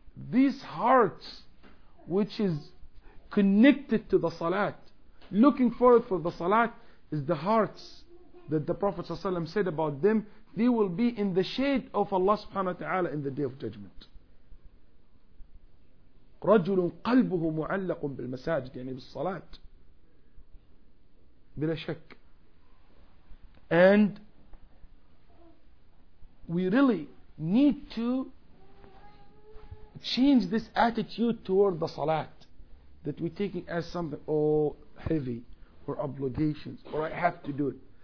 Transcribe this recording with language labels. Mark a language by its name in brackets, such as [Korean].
[English] These hearts, which is connected to the salat, looking forward for the salat, is the hearts that the Prophet ﷺ said about them. They will be in the shade of Allah subhanahu wa ta'ala in the day of judgment. [Arabic] رجل قلبه معلق بالمساجد بالصلاة. بلا شك. [English] And we really need to change this attitude toward the salat, that we're taking as something heavy or obligations or I have to do it.